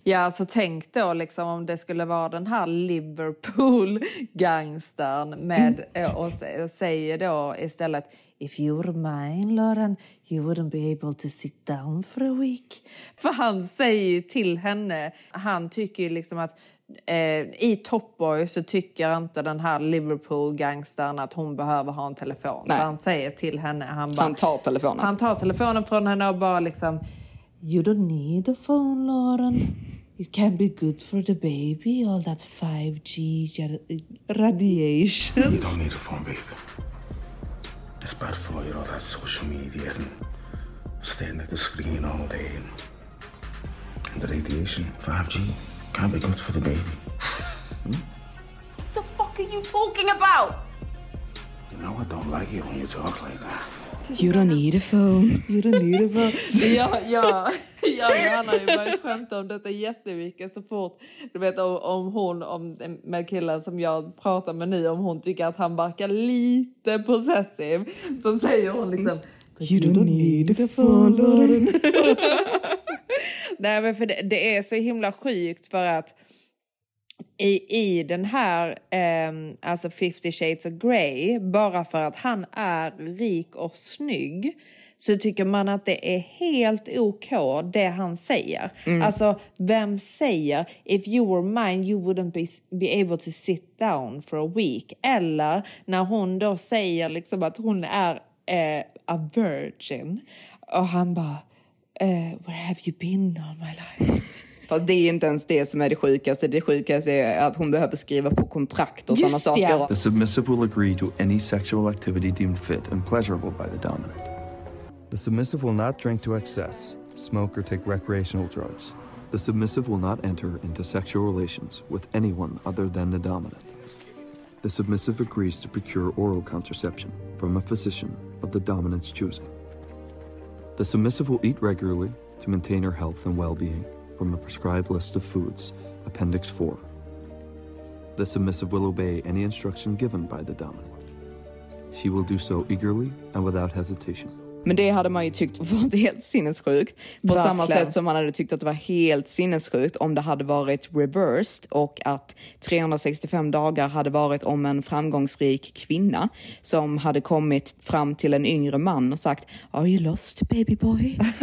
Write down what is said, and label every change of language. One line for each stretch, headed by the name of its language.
Swedish: Ja, så tänk då liksom om det skulle vara den här Liverpool gangstern med och säger då istället
English: if you were mine, Lauren, you wouldn't be able to sit down for a week.
Swedish: För han säger ju till henne, han tycker ju liksom att i Top Boy så tycker inte den här Liverpool-gangstern att hon behöver ha en telefon. Nej. Så han säger till henne, han tar telefonen från henne och bara liksom,
English: you don't need a phone, Lauren. It can be good for the baby, all that 5G radiation. You don't need a phone, baby. It's bad for you, all that social media and staring at the screen all day. And the radiation, 5G, can't be good for the baby. What the fuck are you talking about? You know, I don't like it when you talk like that. You don't need a phone. You don't need a phone.
Swedish: Ja. Jag menar ju bara skämt om detta jättemycket så fort. Du vet om hon, om med killen som jag pratar med nu, om hon tycker att han verkar lite possessiv, så säger hon liksom,
English: you don't need a phone.
Swedish: Nej, men för det är så himla sjukt, för att i den här alltså 50 Shades of Grey, bara för att han är rik och snygg så tycker man att det är helt okej det han säger. Mm. Alltså, vem säger,
English: if you were mine you wouldn't be able to sit down for a week.
Swedish: Eller när hon då säger liksom att hon är
English: a virgin
Swedish: och han bara,
English: where have you been all my life?
Swedish: Fast det är inte ens det som är det sjukaste. Det sjukaste är att hon behöver skriva på kontrakt och sådana saker.
English: Yeah. The submissive will agree to any sexual activity deemed fit and pleasurable by the dominant. The submissive will not drink to excess, smoke or take recreational drugs. The submissive will not enter into sexual relations with anyone other than the dominant. The submissive agrees to procure oral contraception from a physician of the dominant's choosing. The submissive will eat regularly to maintain her health and well-being from a prescribed list of foods, Appendix 4. The submissive will obey any instruction given by the dominant. She will do so eagerly and without hesitation.
Swedish: Men det hade man ju tyckt var helt sinnessjukt. På Verkligen. Samma sätt som man hade tyckt att det var helt sinnessjukt om det hade varit reversed och att 365 dagar hade varit om en framgångsrik kvinna som hade kommit fram till en yngre man och sagt,
English: are you lost baby boy?